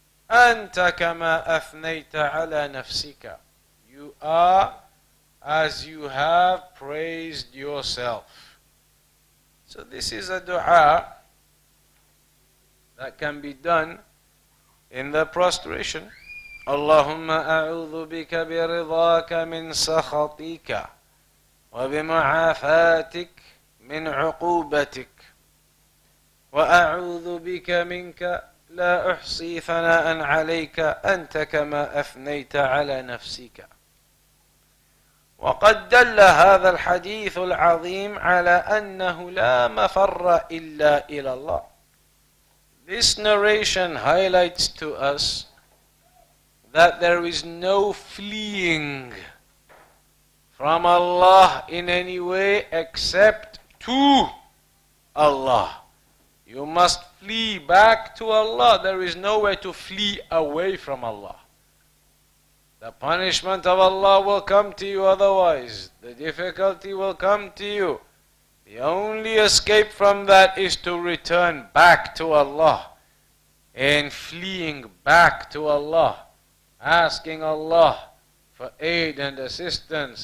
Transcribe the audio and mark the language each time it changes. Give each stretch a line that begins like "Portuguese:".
Arabic: أنت كما أثنيت على نفسك
English: You are as you have praised yourself. So this is a dua that can be done in the prostration.
Arabic: اللهم أعوذ بك برضاك من سخطيك وبمعافاتك من عقوبتك وأعوذ بك منك لا أحصي ثناءً عليك أنت كما أثنيت على نفسك وقد دل هذا الحديث العظيم على أنه لا مفر إلا إلى الله
English: This narration highlights to us that there is no fleeing from Allah in any way except to Allah You must flee back to Allah. There is nowhere to flee away from Allah. The punishment of Allah will come to you otherwise. The difficulty will come to you. The only escape from that is to return back to Allah. And fleeing back to Allah. Asking Allah for aid and assistance.